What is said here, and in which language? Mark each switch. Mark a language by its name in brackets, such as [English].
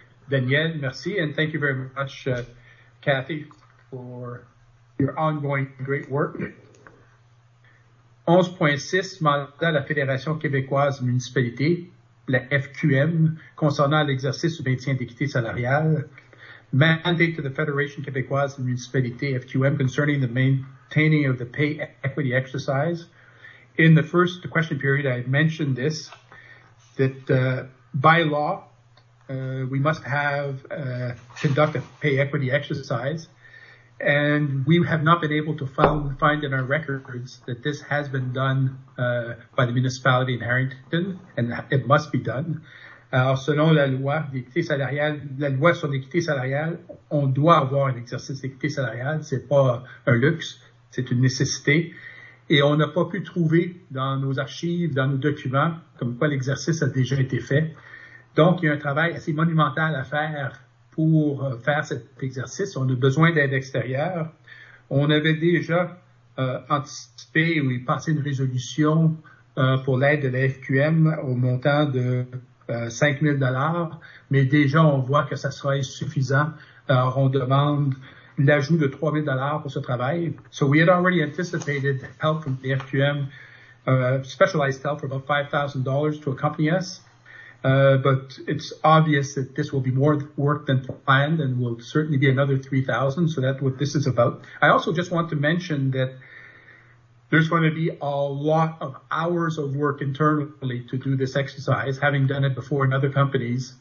[English] Daniel, merci, and thank you very much, Kathy, for your ongoing great work. [French] 11.6, mandat de la Fédération québécoise municipalité, la FQM, concernant l'exercice du maintien d'équité salariale. [English] Mandate to the Fédération québécoise municipalité, FQM, concerning the maintaining of the pay equity exercise. In the first question period, I mentioned this, that by law, we must have conduct a pay equity exercise, and we have not been able to find in our records that this has been done by the municipality in Harrington, and it must be done. [French] Alors, selon la loi sur l'équité salariale, on doit avoir un exercice d'équité salariale. C'est pas un luxe, c'est une nécessité. Et on n'a pas pu trouver dans nos archives, dans nos documents, comme quoi l'exercice a déjà été fait. Donc, il y a un travail assez monumental à faire pour faire cet exercice. On a besoin d'aide extérieure. On avait déjà anticipé ou passé une résolution pour l'aide de la FQM au montant de 5 000 $, mais déjà, on voit que ça sera insuffisant. Alors, on demande l'ajout de 3 000 $ pour ce travail. [English] So we had already anticipated help from the FQM, specialized help for about $5,000 to accompany us. But it's obvious that this will be more work than planned and will certainly be another $3,000. So that's what this is about. I also just want to mention that there's going to be a lot of hours of work internally to do this exercise, having done it before in other companies.